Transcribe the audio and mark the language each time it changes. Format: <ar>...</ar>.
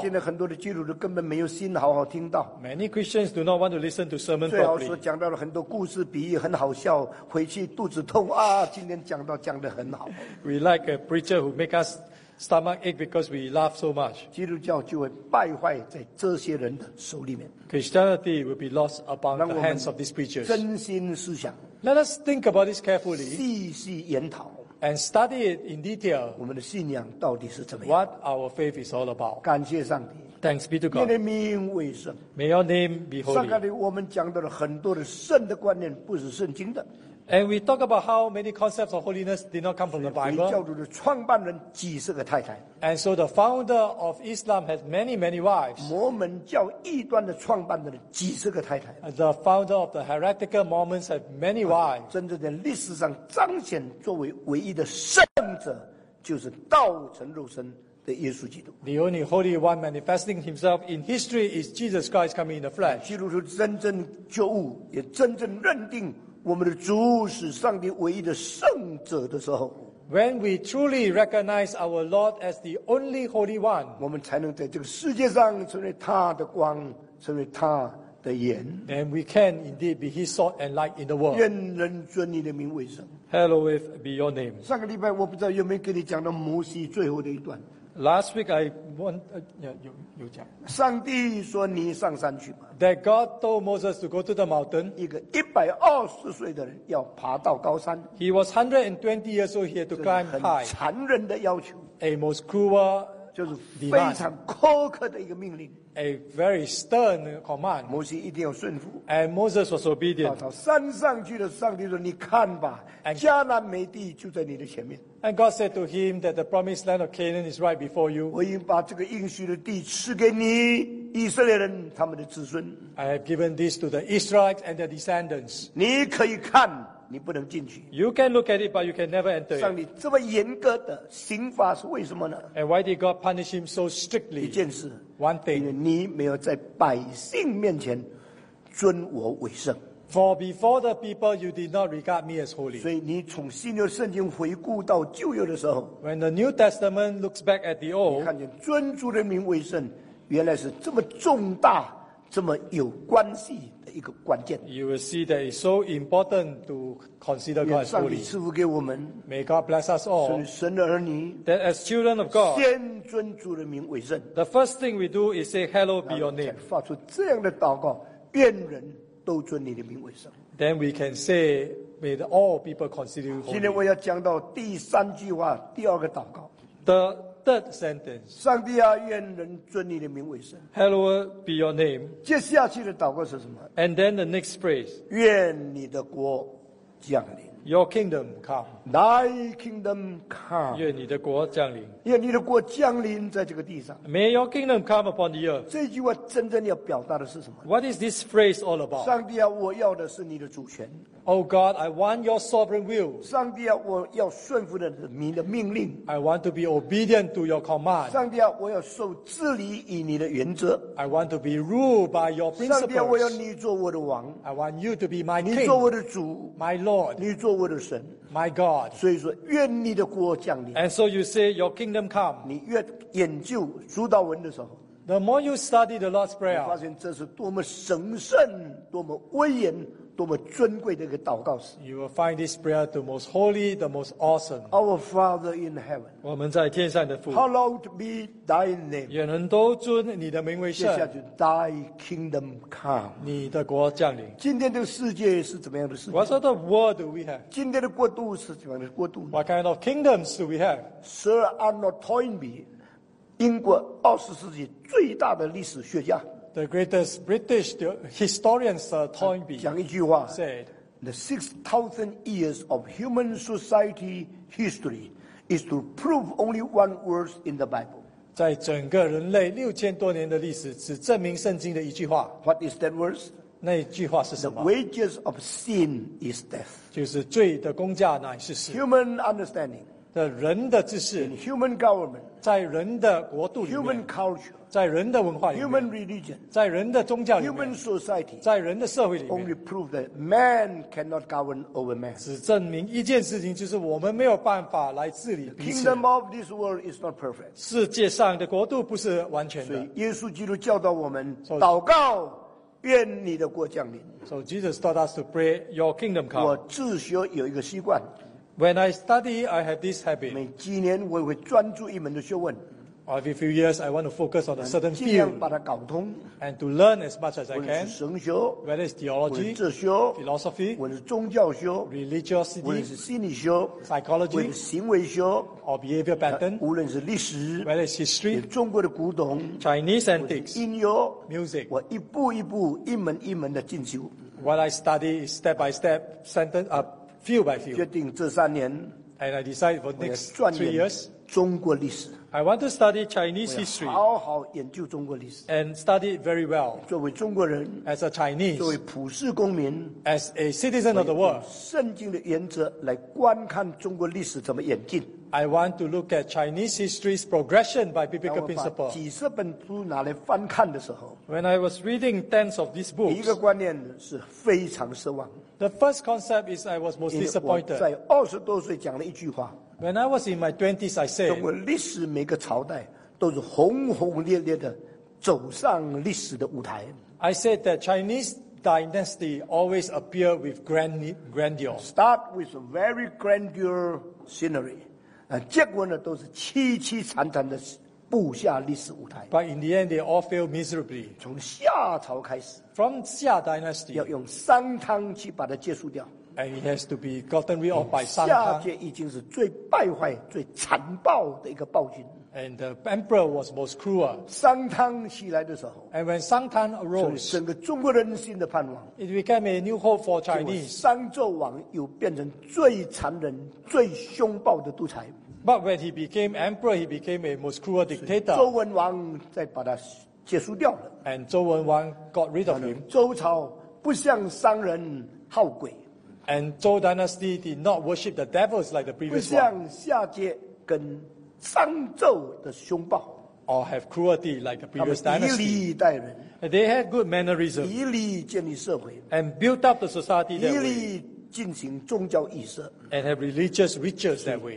<zh>现在很多的基督徒根本没有心好好听到。</zh> <en>Many Christians do not want to listen to sermon properly。</en> <zh>最好说讲到了很多故事比喻很好笑，回去肚子痛啊！今天讲到讲得很好。</zh> <en>We like a preacher who make us stomach ache because we laugh so much.</en> <zh>基督教就会败坏在这些人的手里面。</zh> <en>Christianity will be lost upon the hands of these preachers.</en> <zh>真心思想。</zh> <en>Let us think about this carefully.</en> <zh>细细研讨。</zh> <en>And study it in detail.</en> <zh>我们的信仰到底是怎么样</zh> <en>？What our faith is all about.</en> <zh>感谢上帝。</zh> <en>Thanks be to God.</en> <zh>愿你名为圣。</zh> <en>May your name be holy.</en> <zh>上个礼我们讲到了很多的圣的观念，不是圣经的。</zh> <en>And we talk about how many concepts of holiness did not come from the Bible.</en> <zh>回教徒的创办人几十个太太。</zh> <en>And so the founder of Islam has many, many wives.</en> <zh>摩门教异端的创办人几十个太太。</zh> <en>And the founder of the heretical Mormons has many wives.</en> <zh>真正在历史上彰显作为唯一的圣者，就是道成肉身。</zh> <en>The only holy one manifesting himself in history is Jesus Christ coming in the flesh.</en> <zh>基督徒真正觉悟，也真正认定我们的主是上帝唯一的圣者的时候。</zh> <en>When we truly recognize our Lord as the only holy one,</en> <zh>我们才能在这个世界上成为他的光，成为他的盐。</zh> <en>And we can indeed be his salt and light in the world.</en> <zh>愿人尊你的名为圣。</zh> <en>Hallowed be your name.</en> <zh>上个礼拜我不知道有没有跟你讲到摩西最后的一段。</zh> <en>Last week I want</en> <zh>有讲。上帝说你上山去吧。</zh> <en>That God told Moses to go to the mountain.</en> <zh>一个120岁的人要爬到高山。</zh> <en>He was 120 years old. He had to climb high.</en> <zh>很残忍的要求。</zh> <en>A most cruel</en> <zh>就是非常苛刻的一个命令。</zh> <en>A very stern command.</en> <zh>摩西一定要顺服。</zh> <en>And Moses was obedient.</en> <zh>到山上去的上帝说：“你看吧，迦南美地就在你的前面。”</zh> <en>And God said to him that the promised land of Canaan is right before you.</en> <zh>我已经把这个应许的地赐给你以色列人他们的子孙。</zh> <en>I have given this to the Israelites and their descendants.</en> <zh>你可以看，你不能进去。</zh> <en>You can look at it, but you can never enter it.</en> <zh>上帝这么严格的刑罚是为什么呢</zh> <en>？And why did God punish him so strictly?</en> <zh>一件事。</zh> <en>One thing,</en> <zh>因为你没有在百姓面前尊我为圣。</zh> <en>For before the people, you did not regard me as holy.</en> <zh>所以你从新约圣经回顾到旧约的时候</zh> <en>，When the New Testament looks back at the old,</en> <zh>你看见尊主的名为圣，原来是这么重大、这么有关系的一个关键。</zh> <en>You will see that it's so important to consider God as holy.</en> <zh>赐福给我们</zh> <en>，May God bless us all.</en> <zh>所以神的儿女</zh> <en>，That as children of God,</en> <zh>先尊主的名为圣。</zh> <en>The first thing we do is say, "Hallowed be your name."</en> <zh>发出这样的祷告，愿人。都尊你的名为圣。</zh> <en>Then we can say, may all people consider you holy.</en> <zh>今天我要讲到第三句话，第二个祷告。</zh> <en>The third sentence.</en> <zh>上帝啊，愿人尊你的名为圣。</zh> <en>Hallowed be your name.</en> <zh>接下去的祷告是什么</zh> <en>？And then the next phrase.</en> <zh>愿你的国降临。</zh> <en>Your kingdom come. Thy kingdom come.</en> <zh>愿你的国降临。愿你的国降临在这个地上。</zh> <en>May your kingdom come upon the earth.</en> <zh>这句话真正要表达的是什么</zh> <en>？What is this phrase all about?</en> <zh>上帝啊，我要的是你的主权。</zh> <en>Oh God, I want your sovereign will.</en> <zh>上帝啊，我要顺服的你的命令。</zh> <en>I want to be obedient to your command.</en> <zh>上帝啊，我要受治理以你的原则。</zh> <en>I want to be ruled by your principles.</en> <zh>上帝啊，我要你做我的王。</zh> <en>I want you to be my king.</en> <zh>你做我的主。</zh> <en>My Lord.</en> <zh>你做我的神。</zh> <en>My God.</en> <zh>所以说，愿你的国降临。</zh> <en>And so you say, your kingdom come.</en> <zh>你越研究主祷文的时候。</zh> <en>The more you study the Lord's Prayer.</en> <zh>你发现这是多么神圣，多么威严。多么尊贵的一个祷告词</zh> <en>You will find this prayer the most holy, the most awesome. Our Father in heaven.</en> <zh>我们在天上的父</zh> <en>Hallowed be thy name.</en> <zh>愿人都尊你的名为圣。接下去</zh> <en>Thy kingdom come.</en> <zh>你的国降临。今天的世界是怎么样的世界</zh> <en>What sort of world do we have?</en> <zh>今天的国度是怎么样的国度</zh> <en>What kind of kingdoms do we have?</en> <zh>Sir Arnold Toynbee, 英国二十世纪最大的历史学家。</zh> <en>The greatest British historian Sir Toynbee</en> <zh>讲一句话,</zh> <en>said, "The 6,000 years of human society history is to prove only one word in the Bible."</en> <zh>在整个人类六千多年的历史，只证明圣经的一句话。</zh> <en>What is that word?</en> <zh>那句话是什么</zh> <en>？The wages of sin is death.</en> <zh>就是罪的工价乃是死。</zh> <en>Human understanding.</en> <zh>的人的知识。</zh> <en>In human government.</en> <zh>在人的国度里面。</zh> <en>Human culture.</en> <zh>在人的文化里面</zh> <en>human religion,</en> <zh>在人的宗教里面</zh> <en>human society,</en> <zh>在人的社会里面</zh> <en>only prove that man cannot govern over man.</en> <zh>只证明一件事情就是我们没有办法来治理彼此</zh> <en>The kingdom of this world is not perfect.</en> <zh>世界上的国度不是完全的所以耶稣基督教导我们祷告愿你的国降临</zh> <en>So Jesus taught us to pray your kingdom come</en> <zh>我自学有一个习惯</zh> <en>When I study, I have this habit.</en> <zh>每几年我会专注一门的学问。</zh> <en>Every few years, I want to focus on a certain field and to learn as much as I can.</en> <zh>是神学,</zh> <en>whether it's theology,</en> <zh>是哲学,</zh> <en>philosophy,</en> <zh>或者是宗教学,</zh> <en>religiosity,</en> <zh>或者是心理学,</zh> <en>psychology,</en> <zh>或者是行为学,</zh> <en>or behavior pattern,</en> <zh>无论是历史,</zh> <en>whether it's history,</en> <zh>中国的古董,</zh> <en>Chinese antiques,</en> <zh>音乐,</zh> <en>music.</en> <zh>我一步一步, 一门一门的进修。</zh> <en>What I study is step by step, sentence, field by field.</en> <zh>决定这三年,</zh> <en>and I decide for next 3 years.</en> <zh>中国历史。</zh> <en>I want to study Chinese history.</en> <zh>我要好好研究中国历史。</zh> <en>And study it very well.</en> <zh>作为中国人。</zh> <en>As a Chinese.</en> <zh>作为普世公民。</zh> <en>As a citizen of the world.</en> <zh>圣经的原则来观看中国历史怎么演进。</zh> <en>I want to look at Chinese history's progression by biblical principle.</en> <zh>几十本书拿来翻看的时候。</zh> <en>When I was reading tens of these books.</en> <zh>一个观念是非常失望。</zh> <en>The first concept is I was most disappointed.</en> <zh>在二十多岁讲了一句话。</zh> <en>When I was in my 20s, I said,</en> <zh>中国历史每个朝代都是轰轰烈烈的走上历史的舞台。</zh> <en>I said that Chinese dynasty always appear with grandeur. Start with a very grandeur scenery.</en> <zh>结果呢都是凄凄惨惨的布下历史舞台。</zh> <en>But in the end, they all fail miserably.</en> <zh>从夏朝开始。</zh> <en>From Xia dynasty.</en> <zh>要用商汤去把它结束掉。</zh> <en>And it has to be gotten rid of by 商汤。</en> <zh>夏桀已经是最败坏、最残暴的一个暴君。</zh> <en>And the emperor was most cruel.</en> <zh>商汤起来的时候。</zh> <en>And when 商汤 arose,</en> <zh>整个中国人心的盼望。</zh> <en>It became a new hope for Chinese.</en> <zh>商纣王又变成最残忍、最凶暴的独裁。</zh> <en>But when he became emperor, he became a most cruel dictator.</en> <zh>周文王再把他结束掉了。</zh> <en>And 周文王 got rid of him.</en> <zh>周朝不像商人好鬼。</zh> <en>And Zhou dynasty did not worship the devils like the previous one.</en> <zh>不像夏桀跟商纣的凶暴。</zh> <en>Or have cruelty like the previous dynasty.</en> <zh>他们以礼待人。</zh> <en>They had good mannerism.</en> <zh>以礼建立社会。</zh> <en>And built up the society that way.</en> <zh>以礼进行宗教仪式。</zh> <en>And have religious rituals that way.</en>